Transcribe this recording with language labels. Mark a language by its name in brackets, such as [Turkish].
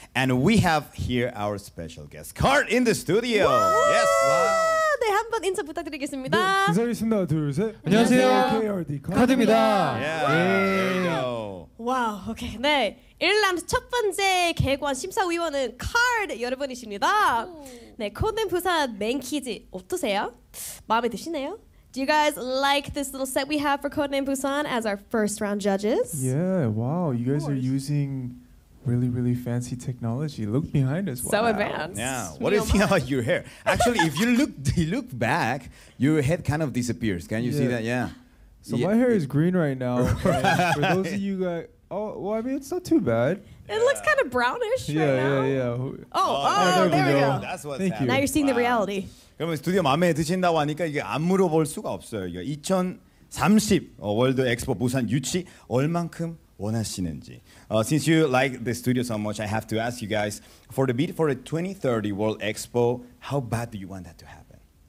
[English] And we have here our special guest, KARD, in the studio. Woo! Yes. Wow. [Korean] 네, 한번 인사 부탁드리겠습니다. 네, 인사드리겠습니다. 둘, 셋. 안녕하세요. KARD, KARD입니다. [English] Yeah. Wow. Yeah. Wow. Okay. 네. [Korean] 1라운드 첫 번째 개관 심사위원은 KARD 여러분이십니다. 네, 코덴 부산 맨 퀴즈 어떠세요? 마음에 드시나요? [English] Do you guys like this little set we have for Codename Busan as our first round judges? Yeah, wow. You guys are using really, really fancy technology. Look behind us. Wow. So advanced. Yeah. What is it about your hair? Actually, if you look back, your head kind of disappears. Can you see that? Yeah. So my hair is green right now. Right. For those of you guys, I mean, it's not too bad. It looks kind of brownish right now. Yeah, yeah, oh, oh, there we go. That's what's happening. Now you're seeing the reality. [Korean] 그러면 스튜디오 마음에 드신다고 하니까 이게 안 물어볼 수가 없어요. 2030 월드 엑스포 부산 유치 얼만큼 원하시는지. [English] Since you like the studio so much, I have to ask you guys, for the bid for the 2030 World Expo, how bad do you want that to happen?